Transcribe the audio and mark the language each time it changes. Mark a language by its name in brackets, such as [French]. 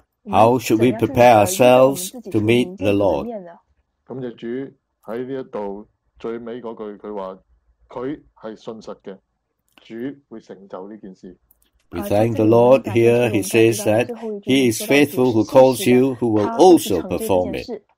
[English] How should we prepare ourselves to meet the Lord? [Cantonese] 咁就主喺呢一度最尾嗰句，佢话佢系信实嘅，主会成就呢件事。 [English] We thank the Lord here. He says that He is faithful who calls you, who will also perform it.